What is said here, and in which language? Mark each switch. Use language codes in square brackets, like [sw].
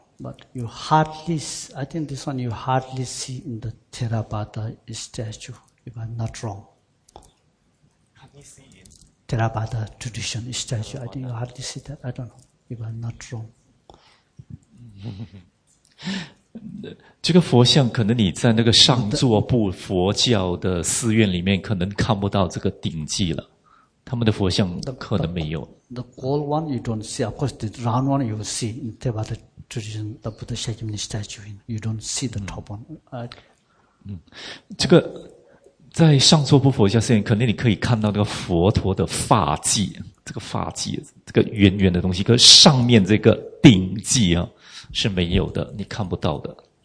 [en] But you hardly, I think this one you hardly see in the Theravada statue, if I'm not wrong. Can you see in Theravada tradition statue? I think you hardly see that. I don't know, if I'm not wrong. [zh] 这个佛像可能你在那个上座部佛教的寺院里面可能看不到这个顶髻了。他们的佛像可能没有。 [en] The gold one you don't see. Of course, the round one you see in Theravada tradition, the Buddha Shakyamuni statue. You don't see the top one. [zh] 这个在上座部佛像寺院，肯定你可以看到那个佛陀的发髻，这个发髻，这个圆圆的东西。可是上面这个顶髻啊是没有的，你看不到的。